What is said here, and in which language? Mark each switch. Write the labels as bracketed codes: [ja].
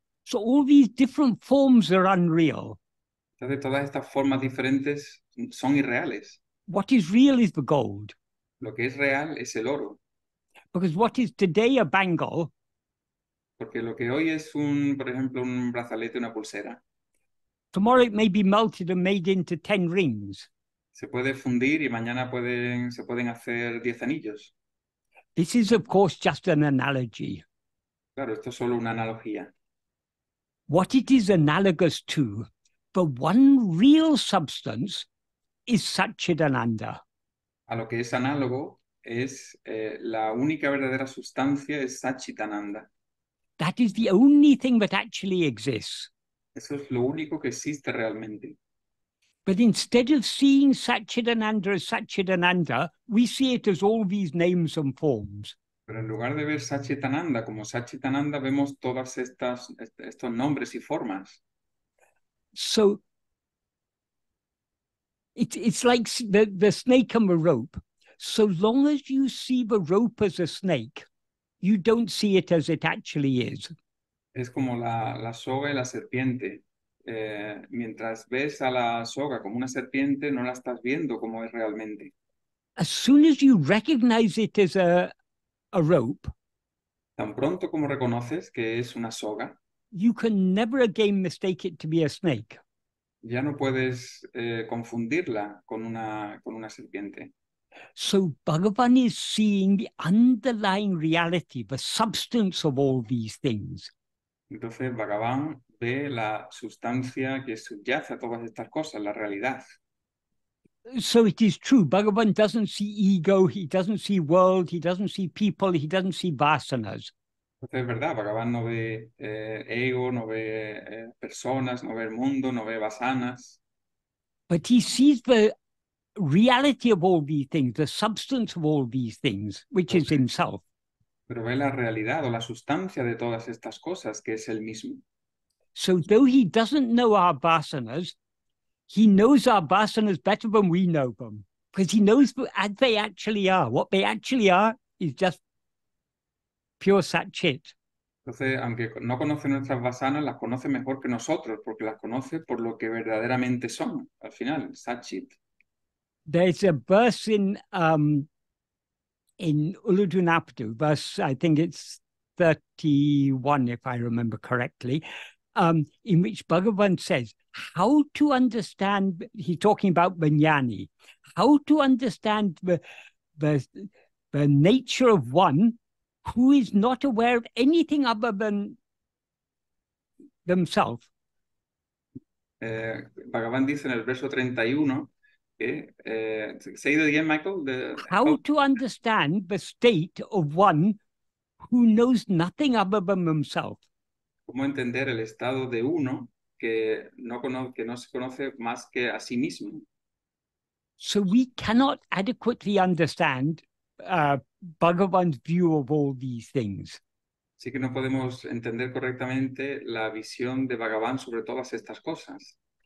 [en] So all these different forms are unreal. [es] Entonces todas estas formas diferentes son irreales. [en] What is real is the gold. [es] Lo que es real es el oro. [en] Because what is today a bangle? [es] Porque lo que hoy es un, por ejemplo, un brazalete, una pulsera. [en] Tomorrow it may be melted and made into 10 rings. [es] Se puede fundir y mañana se pueden hacer 10 anillos. [en] This is of course just an analogy. [es] Claro, esto es solo una analogía. [en] What it is analogous to, the one real substance, is Satchidananda. [es] A lo que es análogo es la única verdadera sustancia es Satchidananda. [en] That is the only thing that actually exists. [es] Eso es lo único que existe realmente. [en] But instead of seeing Satchidananda as Satchidananda, we see it as all these names and forms. [es] Pero en lugar de ver Satchitananda como Satchitananda, vemos todas estos nombres y formas. [en] So, it's like the snake and the rope. So long as you see the rope as a snake, you don't see it as it actually is. [es] Es como la soga y la serpiente. Mientras ves a la soga como una serpiente, no la estás viendo como es realmente. [en] As soon as you recognize it as a rope, [es] tan pronto como reconoces que es una soga, [en] You can never again mistake it to be a snake. [es] Ya no puedes confundirla con una serpiente. [en] So Bhagavan is seeing the underlying reality, the substance of all these things. [es] Entonces Bhagavan ve la sustancia que subyace a todas estas cosas, la realidad. [en] So it is true, Bhagavan doesn't see ego, he doesn't see world, he doesn't see people, he doesn't see vasanas. [es] Entonces es verdad, Bhagavan no ve ego, no ve personas, no ve el mundo, no ve vasanas. [en] But he sees the reality of all these things, the substance of all these things, which is himself. [es] Pero ve la realidad o la sustancia de todas estas cosas, que es el mismo. [en] So though he doesn't know our vasanas, he knows our vasanas better than we know them. Because he knows what they actually are. What they actually are is just pure sat-chit. [es] Entonces, aunque no conoce nuestras vasanas, las conoce mejor que nosotros, porque las conoce por lo que verdaderamente son, al final, sat-chit. [en] There's a verse in Uludunapadu, verse, I think it's 31, if I remember correctly, in which Bhagavan says, how to understand, he's talking about Vijnani, how to understand the nature of one who is not aware of anything other than themselves. [es] Bhagavan dice en el verso 31, [en] say it again, Michael. How to understand the state of one who knows nothing other than himself. [es] ¿Cómo entender el estado de uno que no se conoce más que a sí mismo? [en] So we cannot adequately understand Bhagavan's view of all these things. [es] Así que no podemos entender correctamente la visión de Bhagavan sobre todas estas cosas.